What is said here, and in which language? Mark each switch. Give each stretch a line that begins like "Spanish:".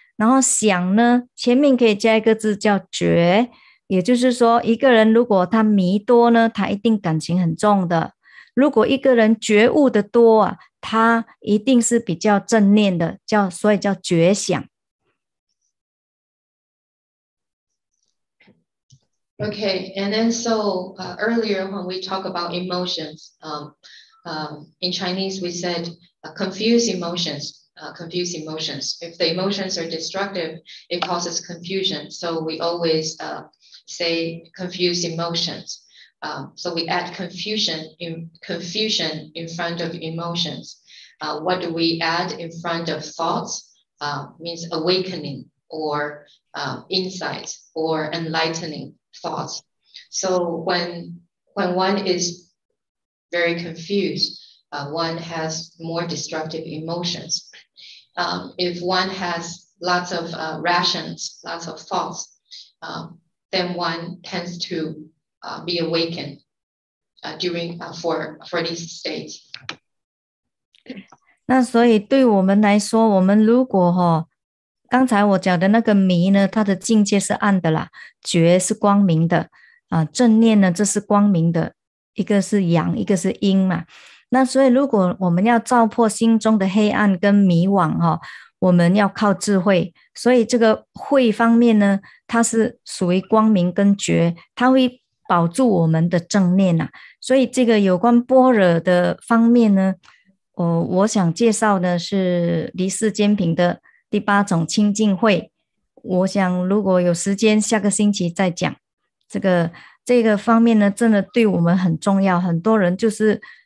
Chinese: 然后想呢，前面可以加一个字叫觉，也就是说一个人如果他迷多呢，他一定感情很重的，如果一个人觉悟的多啊，他一定是比较正念的，所以叫觉想。
English: Okay, and then so earlier when we talk about emotions, in Chinese we said confused emotions. If the emotions are destructive, it causes confusion. So we always say confused emotions. So we add confusion in front of emotions. What do we add in front of thoughts? Means awakening or insight or enlightening thoughts. So when one is very confused, one has more destructive emotions. If one has lots of rations, lots of thoughts, then one tends to be awakened for these states.
Chinese: 那所以对我们来说，我们如果哈，刚才我讲的那个迷呢，它的境界是暗的啦，觉是光明的啊，正念呢，这是光明的，一个是阳，一个是阴嘛。那所以如果我们要照破心中的黑暗跟迷惘，我们要靠智慧，所以这个慧方面呢，它是属于光明跟觉，它会保住我们的正念，所以这个有关般若的方面呢，我想介绍的是离世间品的第八种清净慧，我想如果有时间下个星期再讲这个方面呢，真的对我们很重要，很多人就是